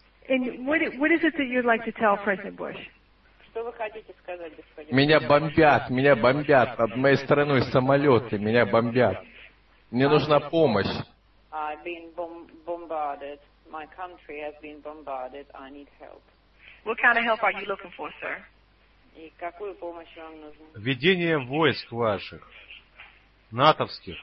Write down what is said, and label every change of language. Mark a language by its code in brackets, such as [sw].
[en] And what is it that you'd like to tell President Bush? [ru] Что вы хотите сказать, господин? Меня бомбят над моей страной самолеты, меня бомбят. Мне нужна помощь. [en] I've been bombarded. My country has been bombarded. I need help. What kind of help are you looking for, sir? [ru] И какую помощь вам нужна? Введение войск ваших, натовских.